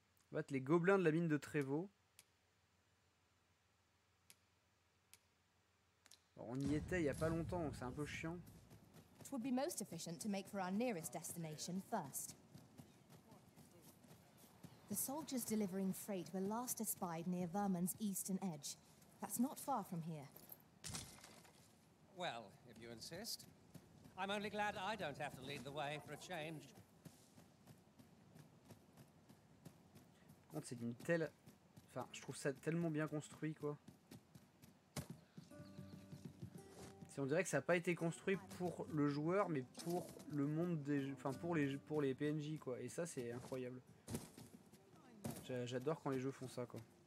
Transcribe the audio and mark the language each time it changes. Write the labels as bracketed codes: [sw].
[fr] Battre les gobelins de la mine de Trévaux. On y était il y a pas longtemps, donc c'est un peu chiant. [en] It would be most efficient to make for our nearest destination first. The soldiers delivering freight were last espied near Vermin's eastern edge. That's not far from here. Well, if you insist. I'm only glad I don't have to lead the way for a change. [fr] Par contre, c'est d'une telle... Enfin, je trouve ça tellement bien construit, quoi. On dirait que ça n'a pas été construit pour le joueur, mais pour le monde des, enfin pour les PNJ quoi. Et ça c'est incroyable. J'adore quand les jeux font ça quoi.